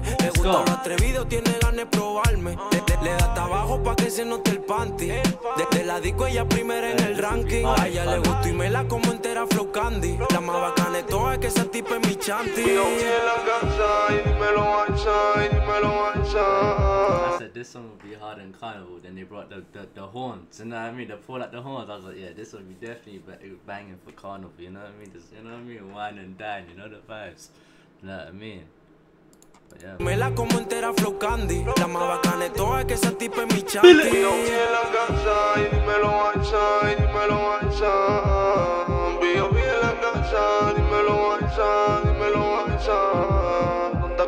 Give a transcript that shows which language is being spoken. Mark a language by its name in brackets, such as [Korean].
[Spanish] Le gusta lo atrevido, tiene ganas de probarme. Le da trabajo pa' que se note el panty. Desde la disco ella primera en el ranking. A ella le gusta y me la como entera Flow Candy. La más bacana de todas es que esa tipa es mi chanty. Mi novia en la casa y dímelo Aissa, y dímelo Aissa. [English] This song would be hard in Carnival. Then they brought the horns, you know what I mean? They pulled out the horns. I was like, yeah, this would be definitely banging for Carnival, you know what I mean? Just, you know what I mean? Wine and dine, you know the vibes, you know what I mean? But yeah. [Spanish] Me la como entera Flow Candy. La más bacana de todas es que esa tipa es mi chanti. Mi novia en la casa y dímelo Aissa, y dímelo Aissa. Mi novia en la casa y dímelo Aissa, dímelo Aissa.